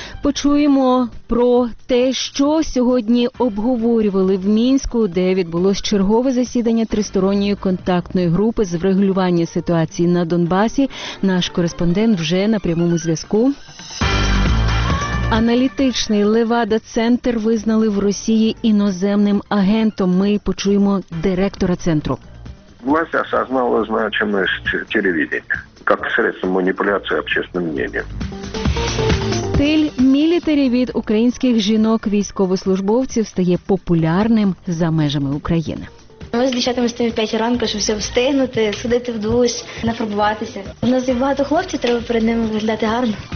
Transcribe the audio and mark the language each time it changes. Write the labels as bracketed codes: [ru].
[uk] Почуємо про те, що сьогодні обговорювали в Мінську, де відбулось чергове засідання тристоронньої контактної групи з врегулювання ситуації на Донбасі. Наш кореспондент вже на прямому зв'язку. Аналітичний Левада-центр визнали в Росії іноземним агентом. Ми почуємо директора центру. [ru] Власть осознала значимость телевидения как средство манипуляции общественным мнением. [uk] Стиль мілітарі від українських жінок-військовослужбовців стає популярним за межами України. Ми з дівчатами стоїмо в 5 ранку, щоб все встигнути, сходити в душ, нафарбуватися. У нас є багато хлопців, треба перед ними виглядати гарно.